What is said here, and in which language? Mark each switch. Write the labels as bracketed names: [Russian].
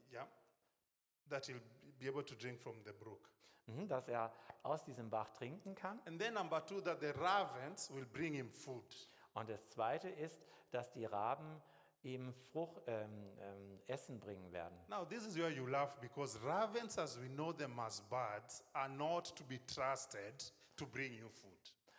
[English] Yeah. That he'll be able to drink from the brook. [German] Dass er aus diesem Bach trinken kann. [English] And then number two, that the ravens will bring him food. [German] Und das zweite ist, dass die Raben ihm Frucht, Essen bringen werden. [English] Now this is where you laugh, because ravens, as we know them as birds, are not to be trusted to bring you food.